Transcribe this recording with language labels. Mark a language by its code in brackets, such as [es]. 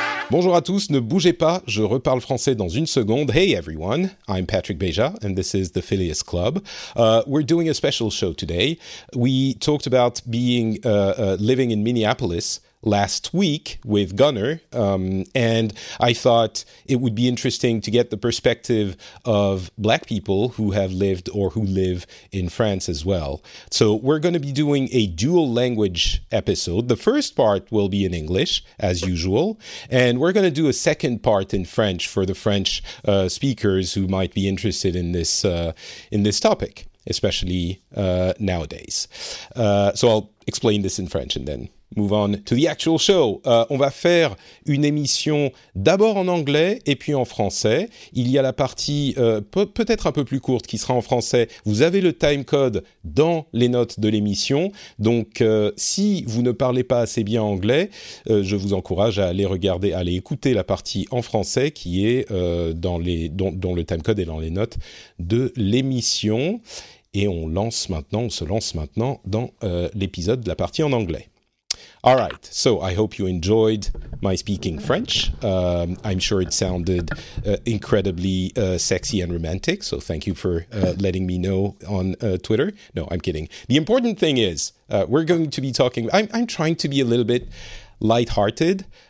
[fr] Bonjour à tous, ne bougez pas, je reparle français dans une seconde. [en] Hey everyone, I'm Patrick Béja and this is the Phileas Club. We're doing a special show today. We talked about being living in Minneapolis last week with Gunnar, and I thought it would be interesting to get the perspective of Black people who have lived or who live in France as well. So we're going to be doing a dual language episode. The first part will be in English, as usual, and we're going to do a second part in French for the French speakers who might be interested in this topic, especially nowadays. So I'll explain this in French and then move on to the actual show. [fr] On va faire une émission d'abord en anglais et puis en français. Il y a la partie peut-être un peu plus courte qui sera en français. Vous avez le time code dans les notes de l'émission. Donc, si vous ne parlez pas assez bien anglais, je vous encourage à aller regarder, à aller écouter la partie en français qui est dont le time code est dans les notes de l'émission. Et on se lance maintenant dans l'épisode de la partie en anglais. [en] All right, so I hope you enjoyed my speaking French. I'm sure it sounded incredibly sexy and romantic, so thank you for letting me know on Twitter. No, I'm kidding. The important thing is we're going to be talking. I'm trying to be a little bit lighthearted.